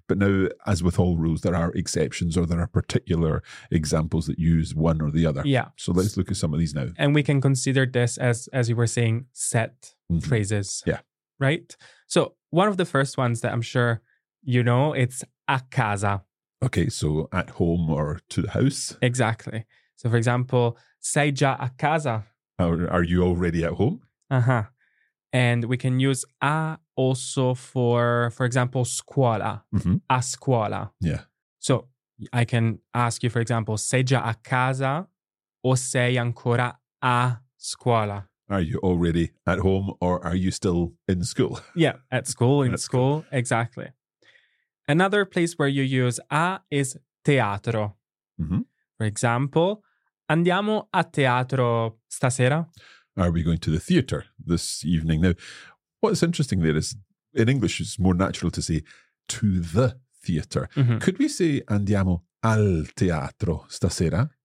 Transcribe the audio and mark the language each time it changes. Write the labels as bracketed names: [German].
[English] But now, as with all rules, there are exceptions or there are particular examples that use one or the other. Yeah. So let's look at some of these now. And we can consider this as you were saying, set mm-hmm. phrases. Yeah. Right? So one of the first ones that I'm sure you know, it's a casa. Okay, so at home or to the house. Exactly. So for example, [Italian] sei già a casa. [English] Are you already at home? Uh-huh. And we can use a also for example, scuola. Mm-hmm. [Italian] A scuola. [English] Yeah. So I can ask you, for example, [Italian] sei già a casa o sei ancora a scuola? [English] Are you already at home or are you still in school? Yeah, at school, in school. Exactly. Another place where you use a is teatro. Mm-hmm. For example, [Italian] andiamo a teatro stasera? [English] Are we going to the theater this evening? Now, what's interesting there is in English, it's more natural to say to the theater. Mm-hmm. Could we say [Italian] andiamo al teatro stasera?